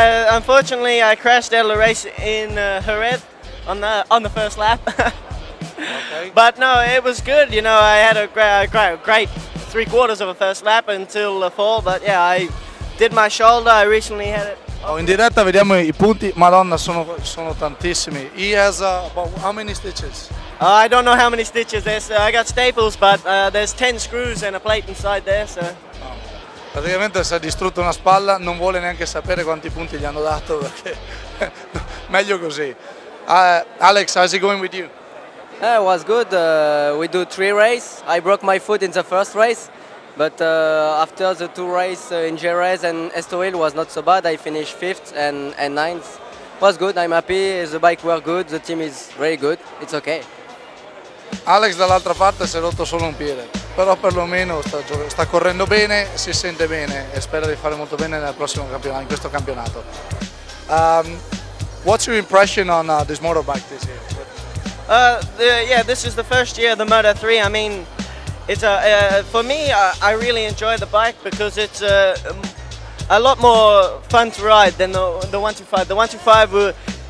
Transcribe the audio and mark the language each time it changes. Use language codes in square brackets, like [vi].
[en] Unfortunately I crashed at the race in Jerez on the first lap. Okay. But no, it was good. You know, I had a great three quarters of a first lap until the fall, but yeah, I did my shoulder, I recently had it. [it] Oh, in diretta vediamo i punti, madonna, sono tantissimi. [en] He has about how many stitches? I don't know how many stitches, I got staples, but there's 10 screws and a plate inside there, so. Oh. [it] Praticamente si è distrutto una spalla, non vuole neanche sapere quanti punti gli hanno dato, perché meglio così. [en] Alex, how's it going with you? Yeah, it was good. We do three races. I broke my foot in the first race, but after the two races in Jerez and Estoril was not so bad. I finished fifth and ninth. It was good. I'm happy. The bike were good. The team is very good. It's okay. [it] Alex dall'altra parte si è rotto solo un piede, però perlomeno sta correndo bene, si sente bene e spera di fare molto bene nel prossimo campionato, in questo campionato. [en] What's your impression on this motorbike this year? This is the first year of the Moto 3. I mean, it's I really enjoy the bike because it's a lot more fun to ride than the 125. The 125